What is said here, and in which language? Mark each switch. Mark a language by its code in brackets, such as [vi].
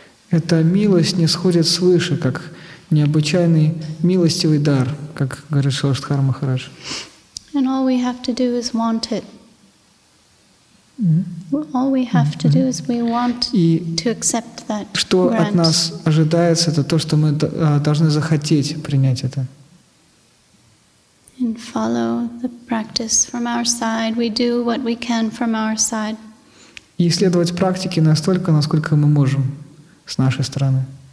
[ru] Эта милость нисходит свыше, как необычайный милостивый дар, как говорит Шрила Шридхар Махарадж. [en] And all we have to do is want it. All we have to do is we want to accept that grant. [ru] Что от нас ожидается, это то, что мы должны захотеть принять это. [en] And follow the practice from our side. We do what we can from our side. [ru] И следовать практике настолько, насколько мы можем с нашей стороны.